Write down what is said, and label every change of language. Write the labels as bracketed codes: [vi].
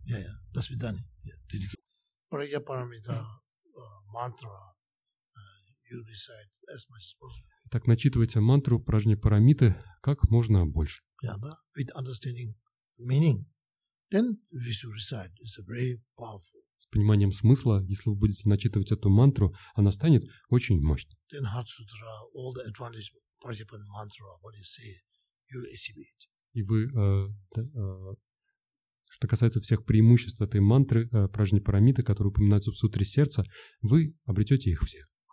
[en] Yeah. [ru] До свидания. [en] Yeah. Прайя парамита мантра, you recite as much as possible. [ru] Так начитывайте мантру Прайя парамиты как можно больше. [en] Yeah, да? With understanding meaning, then we should recite. It's a very powerful. [ru] С пониманием смысла, если вы будете начитывать эту мантру, она станет очень мощной. [en] Then Heart Sutra, all the advantage. Participant mantra, what you say, you achieve it. [ru] И вы Что касается всех преимуществ этой мантры, пражнипарамиты, которые упоминаются в сутре сердца, вы обретете их все.